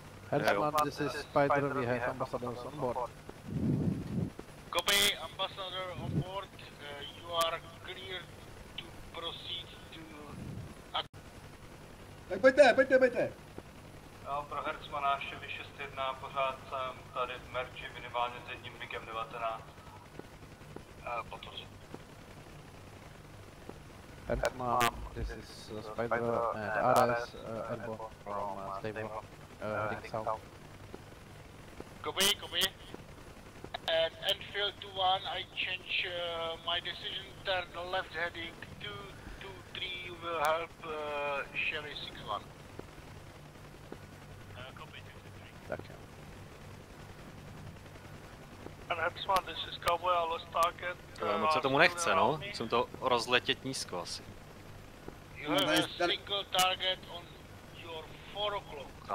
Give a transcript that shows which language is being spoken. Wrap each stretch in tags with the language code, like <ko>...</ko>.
<en>Herzman, this is Spider, we have ambassador on board. Copy, ambassador on board, you are clear to proceed to...</en> <cs>Tak pojďte, pojďte, pojďte! Jo, pro Herzmana, Chevy 6-1, pořád jsem tady v Merči, minimálně s jedním MIGem 19.</cs> <en>Herzman, this is Spider, and RS, airborne from stable. Copy, copy. At Enfield 2-1, I change my decision, turn left heading 2-2-3, you will help Chevy 6-1. Copy,</en> <cs>2-3. Tak jo.</cs> <en>And this is Cowboy, I lost target.</en> <cs>Moc se tomu nechce, no. Musím to rozletět nízko asi.</cs> <en>You have a single target on your 4 o'clock.</en>